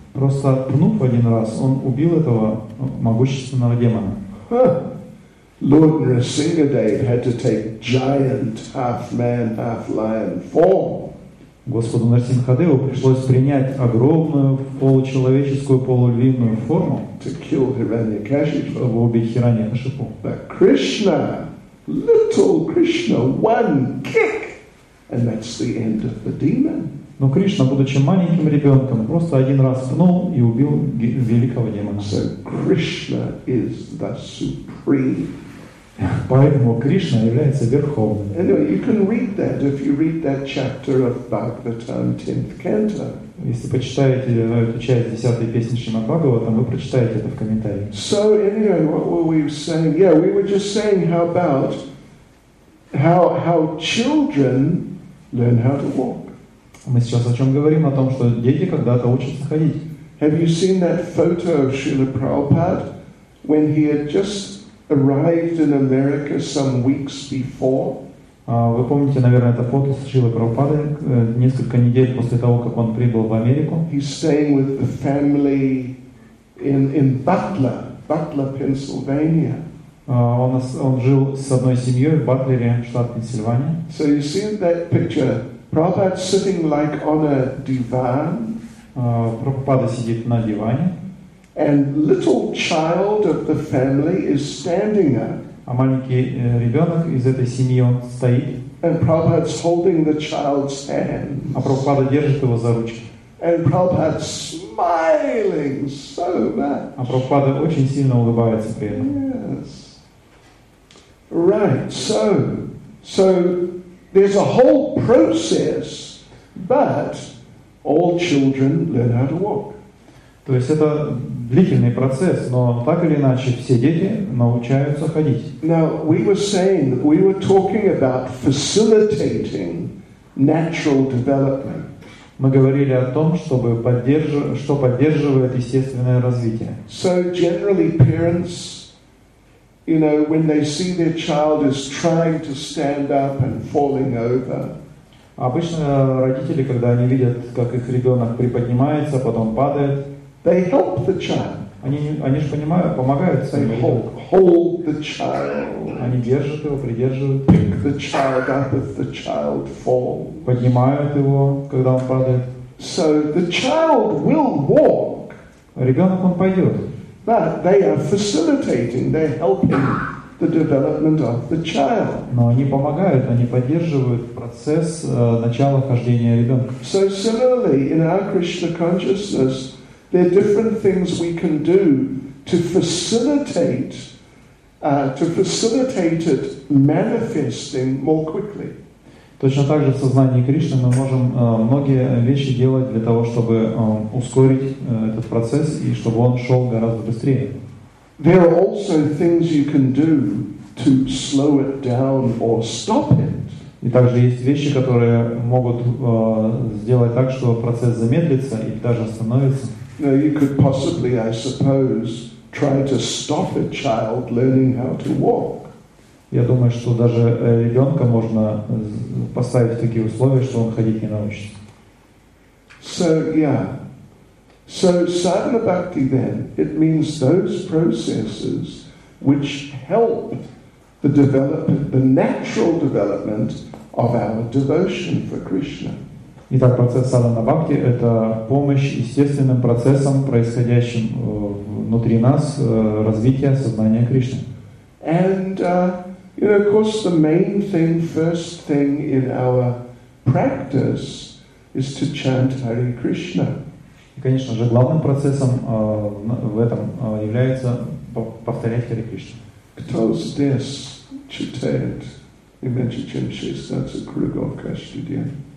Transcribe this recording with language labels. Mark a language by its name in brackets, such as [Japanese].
[Russian] Просто пнув один раз, он убил этого могущественного демона. [English] Lord Nrisimhadev had to take giant half-man, half-lion form. [Russian] Господу Нарсимхадеву пришлось принять огромную получеловеческую полульвинную форму, чтобы убить Хираньякашипу. [English] But Krishna, little Krishna, one kick, and that's the end of the demon. [Russian] Но Кришна, будучи маленьким ребенком, просто один раз пнул и убил великого демона. [English] So Krishna is the supreme. [Russian] Поэтому Кришна является верховным. [English] Anyway, you can read that if you read that chapter of Bhagavatam, 10th canto. [Russian] Если почитаете эту часть 10-й песни Шримад Бхагаватам, вы прочитаете это в комментариях. [English] So anyway, what were we saying? Yeah, we were just saying how about how children learn how to walk. [Russian] Мы сейчас о чем говорим? О том, что дети когда-то учатся ходить. [English] Have you seen that photo of Srila Prabhupada when he had just arrived in America some weeks before? [Russian] Вы помните, наверное, это фото Шрилы Прабхупады несколько недель после того, как он прибыл в Америку. [English] He's staying with the family in Butler, Pennsylvania. [Russian] Он жил с одной семьей в Батлере, штат Пенсильвания. [English] So you see that picture, Prabhupada sitting like on a divan. [Russian] Прабхупада сидит на диване. [English] And little child of the family is standing up. [Russian] А маленький ребенок из этой семьи, он стоит. [English] And Prabhupada's holding the child's hand. [Russian] А Прабхупада держит его за ручки. [English] And Prabhupada's smiling so much. [Russian] А Прабхупада очень сильно улыбается при этом. [English] Yes. Right. So there's a whole process, but all children learn how to walk. [Russian] То есть это длительный процесс, но так или иначе все дети научаются ходить. [English] Now, we were saying, we were talking about facilitating natural development. [Russian] Мы говорили о том, что поддерживает естественное развитие. [English] So generally parents, you know, when they see their child is trying to stand up and falling over, [Russian] обычно родители, когда они видят, как их ребенок приподнимается, потом падает, [English] they help the child. [Russian] Они же понимают, помогают своим ребенку. [English] Hold the child. [Russian] Они держат его, придерживают. [English] Pick the child up if the child falls. [Russian] Поднимают его, когда он падает. [English] So the child will walk. [Russian] Ребенок, он пойдет. [English] But they are facilitating, they're helping the development of the child. [Russian] Но они помогают, они поддерживают процесс начала хождения ребенка. [English] So similarly, in our Krishna consciousness, there are different things we can do to facilitate it manifesting more quickly. [Russian] Точно так же в сознании Кришны мы можем многие вещи делать для того, чтобы ускорить этот процесс и чтобы он шел гораздо быстрее. [English] There are also things you can do to slow it down or stop it. [Russian] И также есть вещи, которые могут сделать так, что процесс замедлится и даже остановится. [English] Now you could possibly, I suppose, try to stop a child learning how to walk. [Russian] Я думаю, что даже ребенка можно поставить в такие условия, что он ходить не научится. [English] So yeah. So sadhana bhakti then, it means those processes which help the natural development of our devotion for Krishna. [Russian] Итак, процесс садхана бхакти — это помощь естественным процессам, происходящим внутри нас, развития сознания Кришны. [English] And, you know, of course, the main thing, first thing in our practice is to chant Hare Krishna. [Russian] И, конечно же, главным процессом в этом является повторять Hare Krishna. Кто здесь читает? Имеджи чем шестнадцать кругов каждый день.